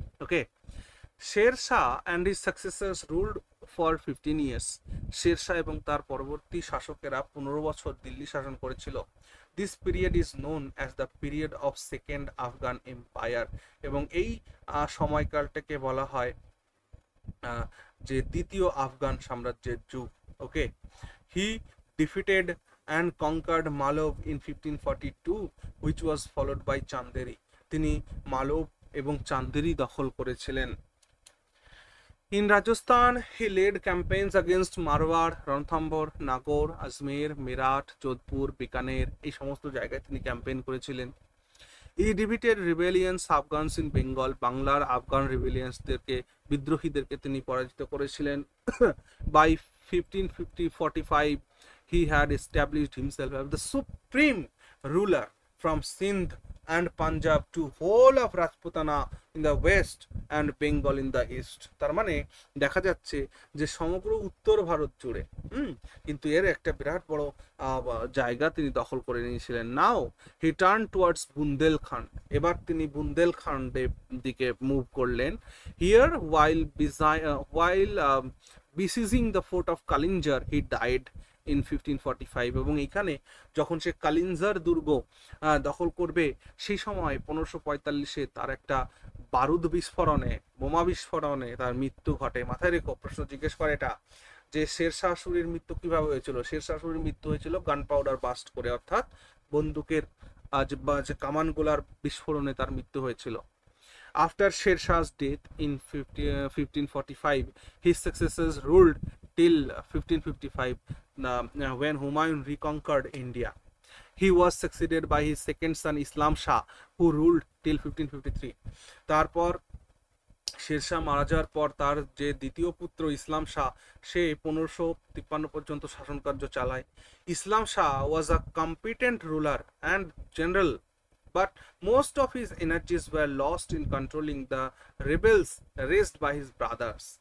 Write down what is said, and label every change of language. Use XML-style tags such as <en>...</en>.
<en>Okay, Sher Shah and his successors ruled for 15 years.</en> <bn>Sher Shah এবং তার পরবর্তী শাসকেরা 15 বছর দিল্লি শাসন করেছিল।</bn> <en>This period is known as the period of Second Afghan Empire.</en> <bn>এবং এই সময়কালটাকে বলা হয় যে দ্বিতীয় আফগান সাম্রাজ্যের যুগ।</bn> <en>Okay, he defeated and conquered Malwa in 1542, which was followed by Chanderi.</en> <bn>তিনি মালব এবং চান্দেরি দখল করেছিলেন।</bn> <en>In Rajasthan, he led campaigns against Marwar, Ranthambore, Nagaur, Ajmer, Meerut, Jodhpur, Bikaner.</en> <bn>এই সমস্ত জায়গায় তিনি ক্যাম্পেইন করেছিলেন।</bn> <en>He defeated rebellions Afghans in Bengal,</en> <bn>বাংলার আফগান রিবেলিয়ান্সদেরকে বিদ্রোহীদেরকে তিনি পরাজিত করেছিলেন।</bn> <en>By 1550-45, he had established himself as the supreme ruler from Sindh and Punjab to whole of Rajputana in the west and Bengal in the east.</en> <bn>তার মানে দেখা যাচ্ছে যে সমগ্র উত্তর ভারত জুড়ে কিন্তু এর একটা বিরাট বড় জায়গা তিনি দখল করে নিয়েছিলেন।</bn> <en>now he turn towards</en> <bn>বুন্দেল খান, এবার তিনি বুন্দেল খান দিকে মুভ করলেন।</bn> <en>here while besieging the fort of Kalinjar he died in 1545,</en> <bn>এবং এখানে যখন সে কালিঞ্জর দুর্গ দখল করবে সেই সময় 1545 তার একটা বারুদ বিস্ফোরণে, বোমা বিস্ফোরণে তার মৃত্যু ঘটে। মাথায় রেখো, প্রশ্ন জিজ্ঞেস করে এটা যে শেরশাহ সুরির মৃত্যু কিভাবে হয়েছিল। শেরশাহ সুরির মৃত্যু হয়েছিল গান পাউডার বাস্ট করে, অর্থাৎ বন্দুকের যে কামান গোলার বিস্ফোরণে তার মৃত্যু হয়েছিল।</bn> <en>After Sher Shah death in 1545, his সাকসেসর্স ruled till 1555 when Humayun reconquered India. He was succeeded by his second son Islam Shah, who ruled till 1553.</en> <bn>তারপর শের শাহ মারা যাওয়ার পর তার যে দ্বিতীয় পুত্র ইসলাম শাহ, সে 1553 পর্যন্ত শাসন কার্য চালায়।</bn> <en>Islam Shah was a competent ruler and general, but most of his energies were lost in controlling the rebels raised by his brothers.</en>